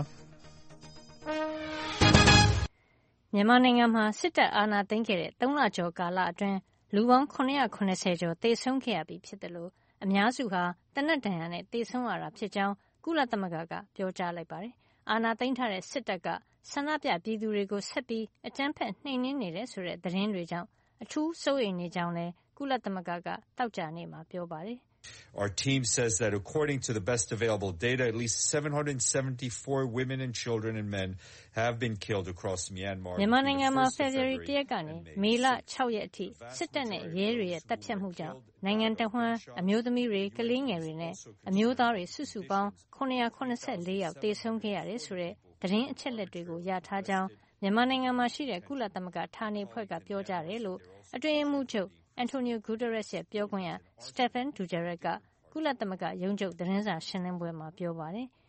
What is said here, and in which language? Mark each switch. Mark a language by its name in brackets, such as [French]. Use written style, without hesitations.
[Burmese] ။မြန်မာနိုင်ငံမှာစစ်တပ်အာဏာသိမ်းခဲ့တဲ့3လကျော်ကာလအတွင်းလူပေါင်း980ကျော်သေဆုံးခဲ့ရပြီဖြစ်တယ်လို့အများစုဟာတနက်တန်ရနဲ့သေဆုံးရတာဖြစ်ကြောင်းကုလသမဂ္ဂကပြောကြားလိုက်ပါတယ်။အာဏာသိမ်းထားတဲ့စစ်တပ်ကဆန္ဒပြပြည်သူတွေကိုဆက်ပြီးအကြမ်းဖက်နှိမ်နင်းနေတယ်ဆိုတဲ့သတင်းတွေကြောင့်အထူးစိုးရိမ်နေကြောင်းလည်းကုလသမဂ္ဂကတောက်ကြနေမှာပြောပါတယ်။ [English] Our team says that according to the best available data at least 774 women and children and men have been killed across Myanmar. [Burmese] မြန်မာနိုင်ငံမှာ February 1ရက်ကနေမေလ6ရက်အထိစစ်တပ်နဲ့ရဲတွေရဲ့တပ်ဖြတ်မှုကြောင့်နိုင်ငံတဝန်းအမျိုးသမီးတွေ၊ကလေးငယ်တွေနဲ့အမျိုးသားတွေစုစုပေါင်း984ယောက်သေဆုံးခဲ့ရတယ်ဆိုတဲ့တရင်အချက်လက်တွေကိုရထားကြောင်းမြန်မာနိုင်ငံမှာရှိတဲ့ကုလသမဂ္ဂဌာနေဖွဲ့ကပြောကြတယ်လို့အတွင်းမှုချုပ်အန်တိုနီယိုဂူတာရက်ရဲ့ပြောခွင့်ရစတီဖန်ဒူဂျာရက်ကကုလသမဂ္ဂရုံးချုပ်သတင်းစာရှင်းလင်းပွဲမှာပြောပါတယ်